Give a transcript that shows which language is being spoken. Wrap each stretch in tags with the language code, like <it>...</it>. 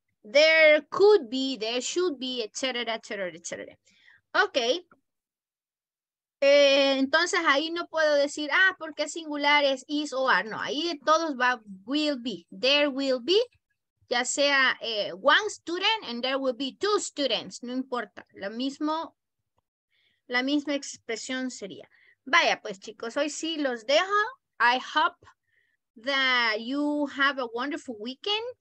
<en>there could be, there should be, etc., etc., etc. Ok.</en> <es>Entonces ahí no puedo decir, ah, porque singular es is o are. No, ahí todos va,</es> <en>will be. There will be,</en> <es>ya sea</es> <en>one student and there will be two students.</en> <es>No importa, lo mismo, la misma expresión sería. Vaya pues chicos, hoy sí los dejo.</es> <en>I hope that you have a wonderful weekend.</en>